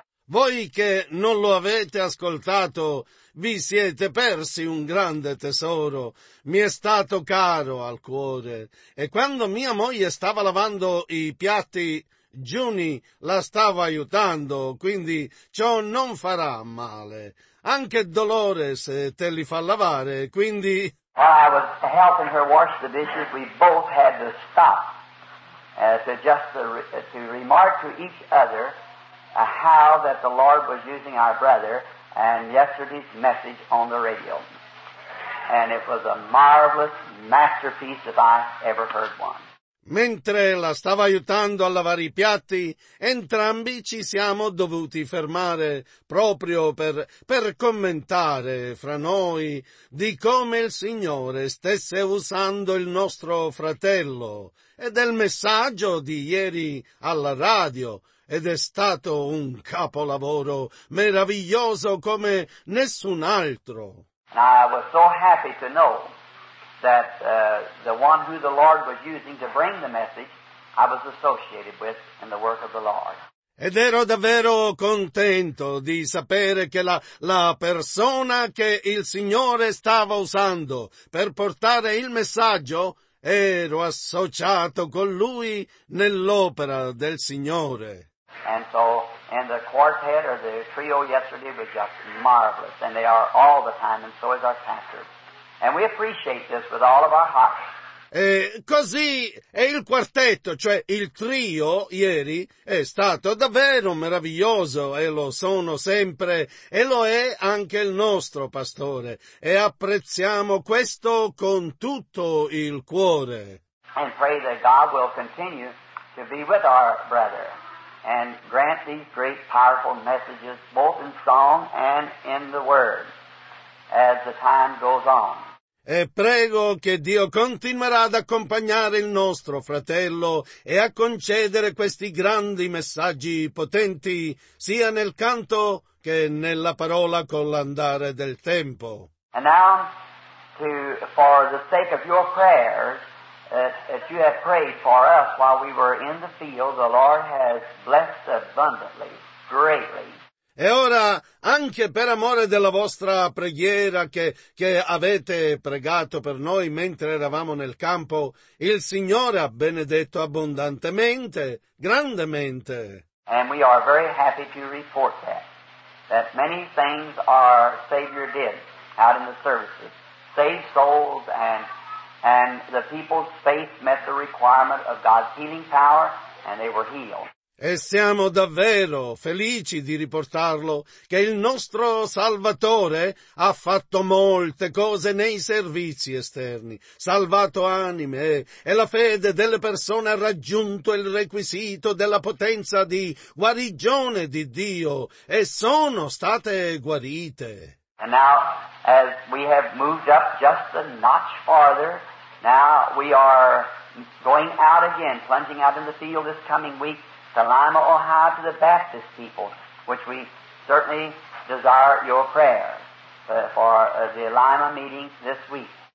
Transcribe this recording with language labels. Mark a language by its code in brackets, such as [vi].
[it] Voi che non lo avete ascoltato, vi siete persi un grande tesoro. Mi è stato caro al cuore. E quando mia moglie stava lavando i piatti, Junie la stava aiutando, quindi ciò non farà male. Anche dolore se te li fa lavare, quindi... [en] While I was helping her wash the dishes, we both had to stop to remark to each other how that the Lord was using our brother and yesterday's message on the radio. And it was a marvelous masterpiece if I ever heard one. [it] Mentre la stava aiutando a lavare i piatti, entrambi ci siamo dovuti fermare proprio per commentare fra noi di come il Signore stesse usando il nostro fratello e del messaggio di ieri alla radio, ed è stato un capolavoro meraviglioso come nessun altro. [en] I was so happy to know that the one who the Lord was using to bring the message, I was associated with in the work of the Lord. [it] Ed ero davvero contento di sapere che la persona che il Signore stava usando per portare il messaggio, ero associato con lui nell'opera del Signore. [en] And so, and the quartet or the trio yesterday was just marvelous, and they are all the time, and so is our pastor. And we appreciate this with all of our hearts. [it] Così è il quartetto, cioè il trio, ieri, è stato davvero meraviglioso, e lo sono sempre, e lo è anche il nostro pastore. E apprezziamo questo con tutto il cuore. [en] And pray that God will continue to be with our brother and grant these great powerful messages both in song and in the word as the time goes on. [it] E prego che Dio continuerà ad accompagnare il nostro fratello e a concedere questi grandi messaggi potenti sia nel canto che nella parola con l'andare del tempo. [en] And now, for the sake of your prayers, that you have prayed for us while we were in the field, the Lord has blessed abundantly, greatly. [it] E ora, anche per amore della vostra preghiera che avete pregato per noi mentre eravamo nel campo, il Signore ha benedetto abbondantemente, grandemente. [en] And we are very happy to report that many things our Savior did out in the services. Saved souls and the people's faith met the requirement of God's healing power and they were healed. [it] E siamo davvero felici di riportarlo che il nostro Salvatore ha fatto molte cose nei servizi esterni, salvato anime e la fede delle persone ha raggiunto il requisito della potenza di guarigione di Dio e sono state guarite. [en] And now, as we have moved up just a notch farther, now we are going out again, plunging out in the field this coming week. Salima, Ohio, to the Baptist people, which we certainly desire your prayers for the Lima meeting this week.